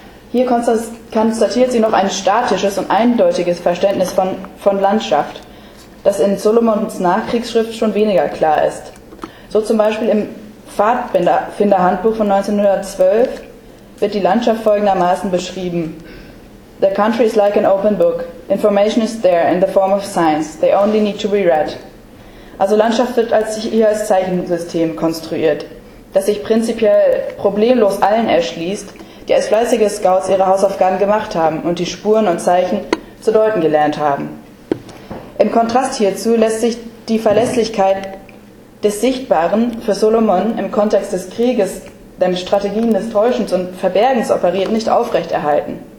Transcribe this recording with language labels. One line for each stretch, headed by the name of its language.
German: Hier konstatiert sie noch ein statisches und eindeutiges Verständnis von Landschaft, das in Solomons Nachkriegsschrift schon weniger klar ist. So zum Beispiel im Pfadfinderhandbuch von 1912 wird die Landschaft folgendermaßen beschrieben.
English: The country is like an open book. Information is there in the form of signs. They only need to be read.
German: Also Landschaft wird als Zeichensystem konstruiert, das sich prinzipiell problemlos allen erschließt, die als fleißige Scouts ihre Hausaufgaben gemacht haben und die Spuren und Zeichen zu deuten gelernt haben. Im Kontrast hierzu lässt sich die Verlässlichkeit des Sichtbaren für Solomon im Kontext des Krieges, denn Strategien des Täuschens und Verbergens operiert, nicht aufrechterhalten.